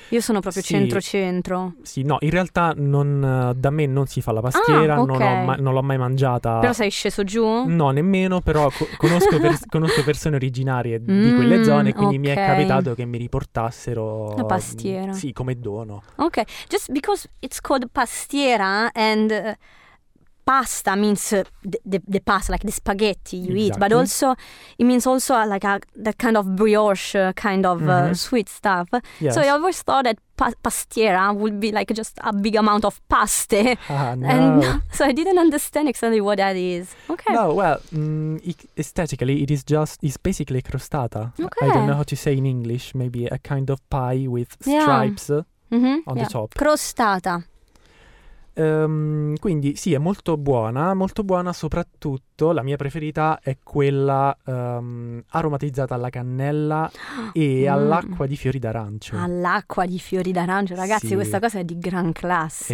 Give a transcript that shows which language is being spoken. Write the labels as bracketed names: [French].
[Italian] Io sono proprio centro-centro. Sì, no, in realtà non, da me non si fa la pastiera. Ah, okay. Non l'ho mai mangiata. Però sei sceso giù? No, nemmeno, però conosco persone originarie di quelle zone, quindi okay, mi è capitato che mi riportassero la pastiera. Sì, come dono. [English] Ok, just because it's called pastiera and pasta means the pasta, like the spaghetti you exactly eat, but also it means also like that kind of brioche kind of sweet stuff. Yes. So I always thought that pastiera would be like just a big amount of paste. Ah, no. And so I didn't understand exactly what that is. Okay. No, well, aesthetically it is just, it's basically crostata. Okay. I don't know how to say in English, maybe a kind of pie with stripes on the top. [Italian] Crostata. Quindi sì, è molto buona soprattutto, la mia preferita è quella aromatizzata alla cannella e all'acqua di fiori d'arancio. All'acqua di fiori d'arancio, ragazzi, sì, questa cosa è di gran classe.